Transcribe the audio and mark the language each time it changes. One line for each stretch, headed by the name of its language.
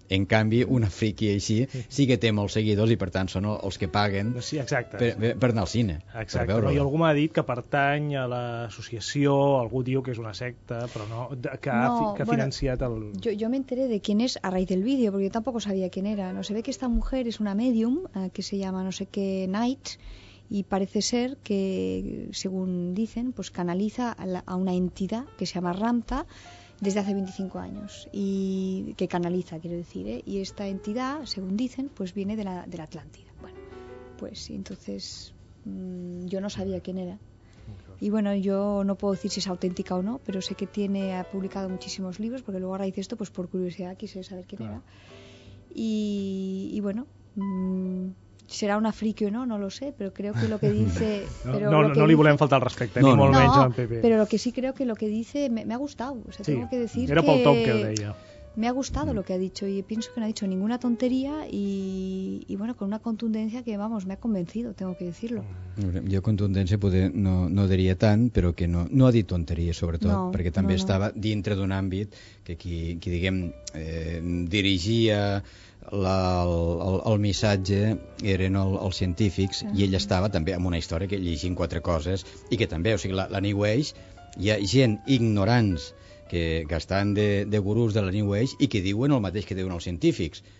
Catalan: En canvi, una friki així sí que té molts seguidors i, per tant, són els que paguen per anar al cine. Exacte. I algú m'ha dit que pertany a l'associació, algú diu que és una secta, però no, que ha financiat el... Jo m'enteré de quién és
Spanish: a raíz del
Catalan: vídeo, perquè jo tampoc sabia quién era.
Spanish: No se ve que esta mujer es una medium que se llama no sé qué Knight, y parece ser que, según dicen, pues canaliza a una entidad que se llama Ramta desde hace 25 años, y que canaliza, quiero decir, ¿eh? Y esta entidad, según dicen, pues viene de la Atlántida. Bueno, pues entonces yo no sabía quién era. Y bueno, yo no puedo decir si es auténtica o no, pero sé que ha publicado muchísimos libros, porque luego ahora dice esto, pues por curiosidad quise saber quién era. Y bueno... Será una friki o no, no lo sé, pero creo que lo que dice...
Catalan: No li volem faltar el respecte, ni molt menys al Pepe.
Spanish: Pero lo que sí creo que lo que dice me ha gustado. O sea, tengo que decir
Catalan: era pel Tom que el deia.
Spanish: Me ha gustado lo que ha dicho y pienso que no ha dicho ninguna tontería y bueno, con una contundencia que, vamos, me ha convencido, tengo que decirlo. Yo contundencia no diría
Catalan: tant, pero que no ha dit tonteries, sobretot, perquè també estava dintre d'un àmbit que qui diguem, dirigia... el missatge eren els científics i ell estava també amb una història que llegint quatre coses i que també, o sigui, la New Age, hi ha gent ignorants que estan de gurús de la New Age i que diuen el mateix que diuen els científics.